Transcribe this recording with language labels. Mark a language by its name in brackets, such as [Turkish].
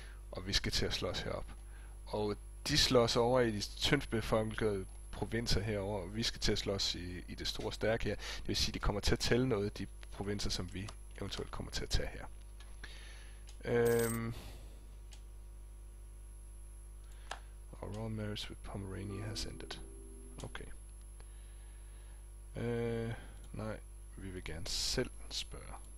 [Danish] Og vi skal til at slås herop. Og de slås over i de tyndt befolkede provinser herover, og vi skal til at slås i det store stærke her. Det vil sige, at de kommer til at tælle noget af de provinser, som vi eventuelt kommer til at tage her. [English] Our royal marriage with Pomerania has ended. Okay. [Danish] Nej, vi vil gerne selv spørge.